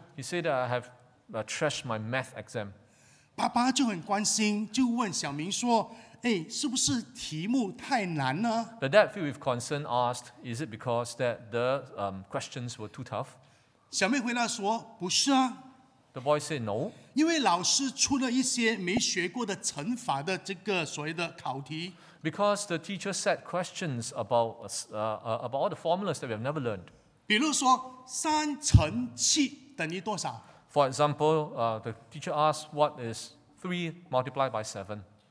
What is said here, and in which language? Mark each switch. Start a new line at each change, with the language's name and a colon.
English: He said that I have trashed my math exam."
Chinese: 爸爸就很关心，就问小明说：“哎，是不是题目太难呢？”
English: The dad, filled with concern, asked, "Is it because that the questions were too tough?"
Chinese: 小妹回答说, 不是啊。
English: The boy said no.
Chinese: 因为老师出了一些没学过的乘法的这个所谓的考题。
English: Because the teacher set questions about about all the formulas that we have never learned.
Chinese: 比如说, 3×7等于多少?
English: For example, the teacher asked what is 3 × 7?